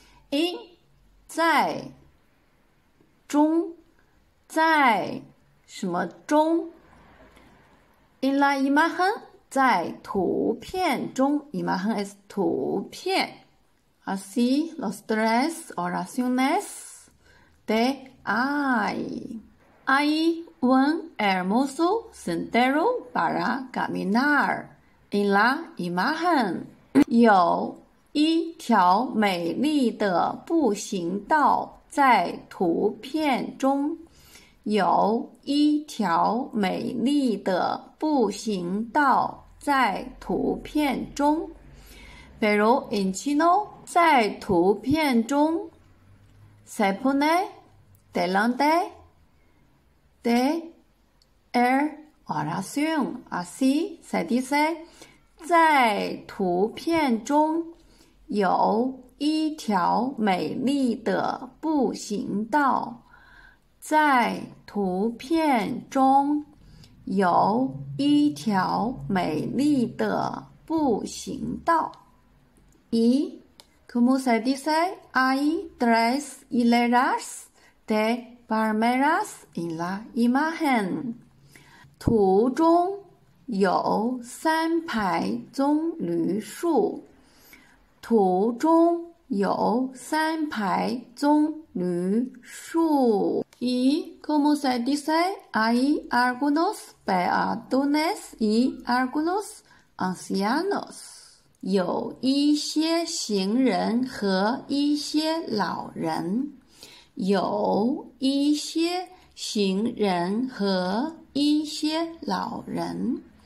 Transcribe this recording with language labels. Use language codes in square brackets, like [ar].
[es] In， [zh] 在什么中？ [es] In la imagen， [zh] 在图片中。 [es] Imagen es 图片。 Así los tres oraciones de I。 Hay un hermoso sendero para caminar en la imagen. [zh] 有一条美丽的步行道在图片中。有一条美丽的步行道在图片中。 [es] Pero en chino, [zh] 在图片中。 [es] Se pone delante. De er oración, así se dice, [zh] 在图片中有一条美丽的步行道，在图片中有一条美丽的步行道。 [es] Y como se dice, hay tres hileras de Palmeras en la imagen. 图中 [zh] 有三排棕榈树，途中有三排棕榈树。 [es] ¿Y cómo se dice? Hay algunos peatones y algunos ancianos. [zh] 有一些行人和一些老人。有一些行人和一些老人。